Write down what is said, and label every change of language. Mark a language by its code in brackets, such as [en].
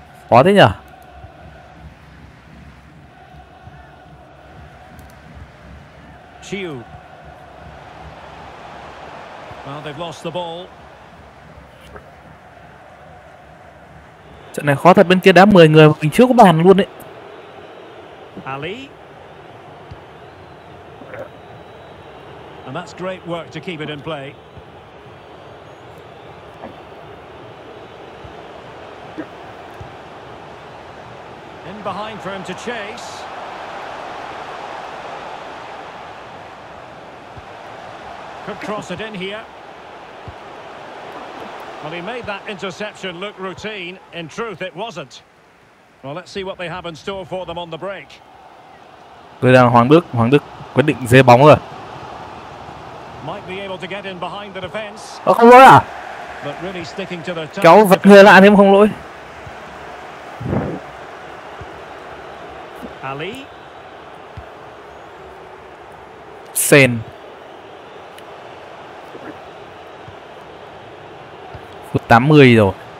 [vi] Khó thế nhỉ. Chiều. [en] Well, they've lost the ball. [vi] Trận này khó thật, bên kia đá 10 người mà mình chưa có bàn luôn đấy. [en] Ali. And that's great work to keep it in play. In behind for him to chase. Could cross it in here. Well, he made that interception look routine. In truth, it wasn't. Well, let's see what they have in store for them on the break. [vi] Đây là Hoàng Đức. Hoàng Đức quyết định dê bóng rồi. [en] Might be able to get in behind the defense. [vi] Ờ, không lỗi à? [en] But really sticking to the touch. [vi] Kéo vật người lại thêm không lỗi. [en] Ali. Sen. [vi] Phút 80 rồi.